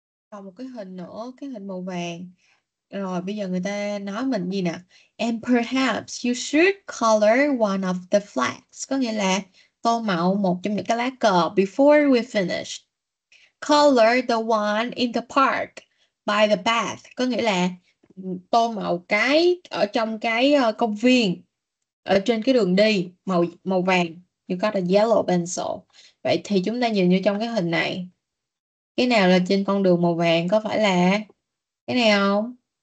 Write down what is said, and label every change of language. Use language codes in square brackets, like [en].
[vi] Còn một cái hình nữa, cái hình màu vàng. Rồi bây giờ người ta nói mình gì nè? [en] And perhaps you should color one of the flags. [vi] Có nghĩa là tô màu một trong những cái lá cờ [en] before we finish. Color the one in the park by the path. [vi] Có nghĩa là tô màu cái ở trong cái công viên, ở trên cái đường đi, màu vàng. [en] You got a yellow pencil. [vi] Vậy thì chúng ta nhìn vô trong cái hình này. Cái nào là trên con đường màu vàng? Có phải là cái này không?